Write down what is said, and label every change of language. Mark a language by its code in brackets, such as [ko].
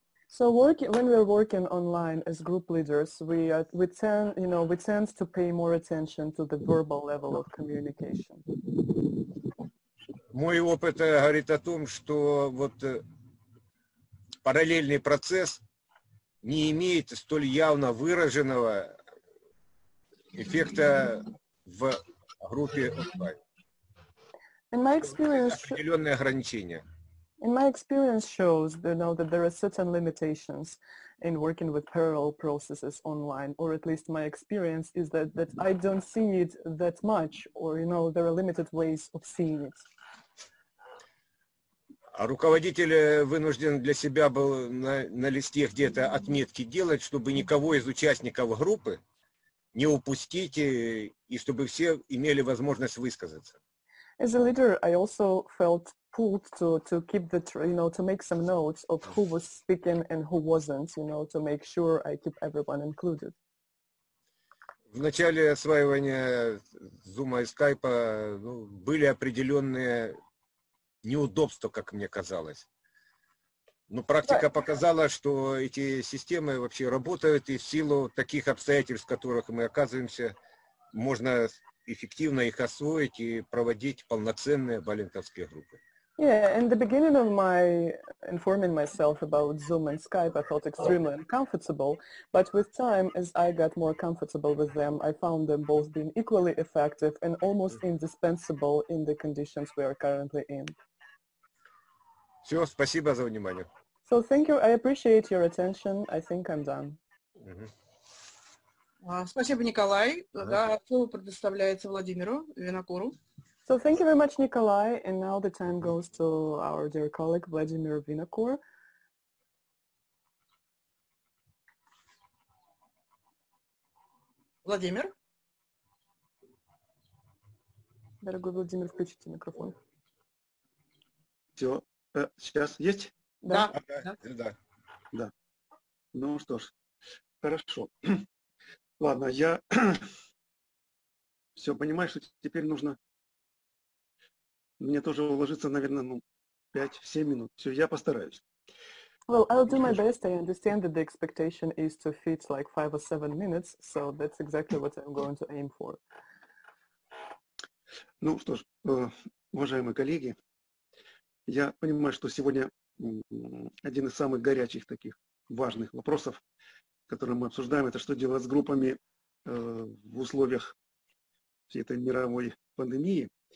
[en] So when we're working online as group leaders, we tend to pay more attention to the verbal level of communication. [ru] Мой опыт говорит о том, что вот параллельный процесс не имеет столь явно выраженного эффекта в группе онлайн. [en] In my experience, [ru] определенные ограничения. [en] In my experience shows, you know, that there are certain limitations in working with parallel processes online, or at least my experience is that I don't see it that much, or, you know, there are limited ways of seeing it. [ru] А руководитель вынужден для себя был на листе где-то отметки делать, чтобы никого из участников группы не упустить, и чтобы все имели возможность высказаться. [en] As a leader, I also felt pulled to keep the, you know, to make some notes of who was speaking and who wasn't, you know, to make sure I keep everyone included. [ru] В начале осваивания Zoom и Skype, ну, были определенные неудобства, как мне казалось. Но практика показала, что эти системы вообще работают, и в силу таких обстоятельств, в которых мы оказываемся, можно эффективно их освоить и проводить полноценные болинтовские группы. [en] Yeah, in the beginning of my informing myself about Zoom and Skype, I felt extremely uncomfortable. But with time, as I got more comfortable with them, I found them both being equally effective and almost indispensable in the conditions we are currently in. [ru] Все, спасибо за внимание. [en] So thank you. I appreciate your attention. I think I'm done. [ru] Спасибо, Николай. Слово предоставляется Владимиру Винокуру. [en] So thank you very much, Nikolai, and now the time goes to our dear colleague Vladimir Vinokur. Vladimir? [ru] Дорогой Владимир, включите микрофон. Все, сейчас есть? Да. Ну что ж, хорошо. Ладно, я все понимаю, что теперь нужно. Мне тоже уложится, наверное, ну, 5-7 минут. Все, я постараюсь. [en] Well, I'll do my best. I understand that the expectation is to fit like 5 or 7 minutes, so that's exactly what I'm going to aim for. [ru] Ну что ж, уважаемые коллеги, я понимаю, что сегодня один из самых горячих таких важных вопросов, которые мы обсуждаем, это что делать с группами в условиях всей этой мировой пандемии.